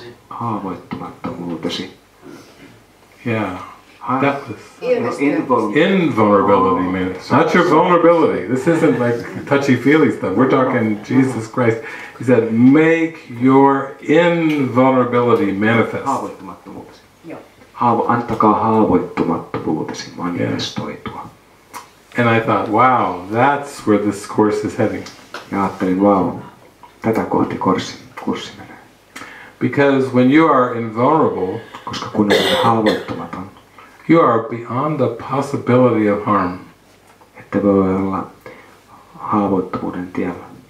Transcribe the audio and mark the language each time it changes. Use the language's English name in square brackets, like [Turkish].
[Finnish] Haavoittumattomuutesi. [English] Yeah. That was invulnerability manifest. Not your vulnerability. This isn't like touchy-feely stuff. We're talking Jesus Christ. He said, make your invulnerability manifest. [Finnish] Haavoittumattomuutesi. Antakaa haavoittumattomuutesi manifestoitua. [English] And I thought, wow, that's where this course is heading. [Finnish] Ja ajattelin, wow, tätä kohti kurssi menee. [English] Because when you are invulnerable, [Finnish] koska kun olet haavoittumaton, [English] you are beyond the possibility of harm. [Finnish] Ette voi olla haavoittuvuuden tiellä.